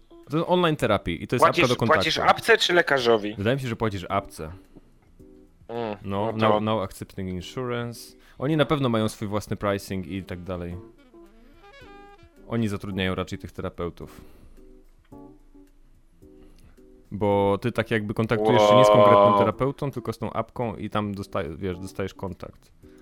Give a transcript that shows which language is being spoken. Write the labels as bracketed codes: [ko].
[pl] to jest online terapii i to jest apka do kontaktu. Płacisz apce czy lekarzowi? Wydaje mi się, że płacisz apce. [en] No accepting insurance. [pl] Oni na pewno mają swój własny pricing i tak dalej. Oni zatrudniają raczej tych terapeutów. Bo ty tak jakby kontaktujesz się nie z konkretnym terapeutą, tylko z tą apką i tam dostajesz kontakt.